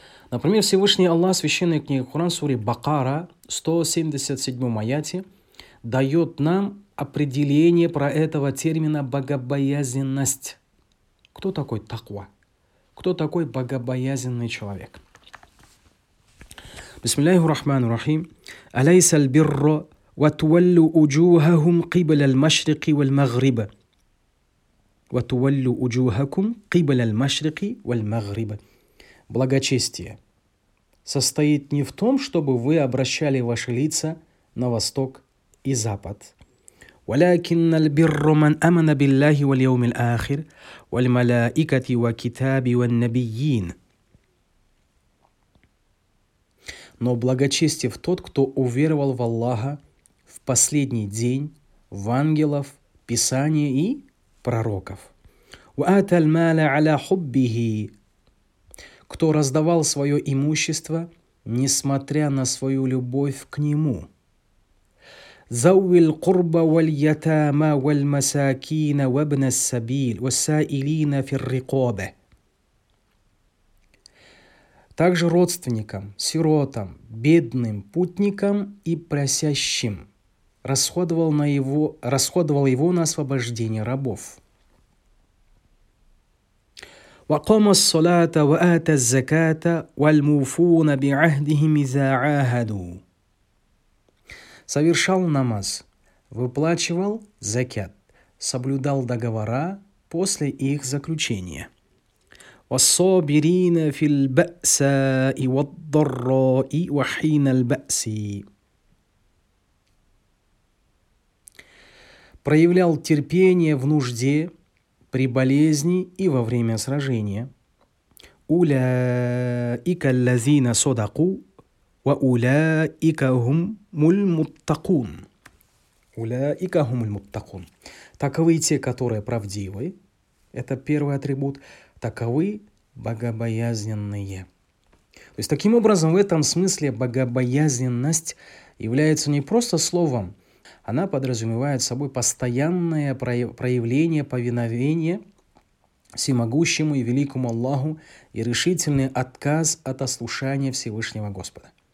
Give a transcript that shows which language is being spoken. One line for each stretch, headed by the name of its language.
Russian: Например, Всевышний Аллах, священная книга Коран, сури Бакара, 177 аяте, дает нам определение про этого термина «богобоязненность». Кто такой таква? Кто такой богобоязненный человек?
Arabic: بسم الله الرحمن الرحيم أليس البر وتولوا أجوههم قبل المشرق والمغرب وَتُوَلُّ أُجُوهَكُمْ قِبَلَ الْمَشْرِقِ وَالْمَغْرِبَ.
Russian: Благочестие состоит не в том, чтобы вы обращали ваши лица на восток и запад.
Arabic: ولكن البر من آمن بالله واليوم الآخر والملائكة وكتاب والنبيين.
Russian: Но благочестив тот, кто уверовал в Аллаха, в последний день, в ангелов, Писание и пророков.
Arabic: وآتى المال على حبه.
Russian: Кто раздавал свое имущество, несмотря на свою любовь к нему.
Arabic: ذوي القربى واليتامى والمساكين وابن السبيل والسائلين في الرقابة.
Russian: Также родственникам, сиротам, бедным, путникам и просящим расходовал его на освобождение рабов.
Arabic: وقام الصلاة وآتى الزكاة والموفون بعهدهم إذا عاهدوا.
Russian: Совершал намаз, выплачивал закят, соблюдал договора после их заключения.
Arabic: والصابرين في البأساء والضراء وحين البأس.
Russian: Проявлял терпение в нужде, при болезни и во время сражения.
Arabic: أولئك الذين صدقوا وأولئك هم المتقون. أولئك هم المتقون.
Russian: Таковы те, которые правдивы. Это первый атрибут. Таковы богобоязненные. То есть таким образом в этом смысле богобоязненность является не просто словом. Она подразумевает собой постоянное проявление повиновения всемогущему и великому Аллаху и решительный отказ от ослушания Всевышнего Господа.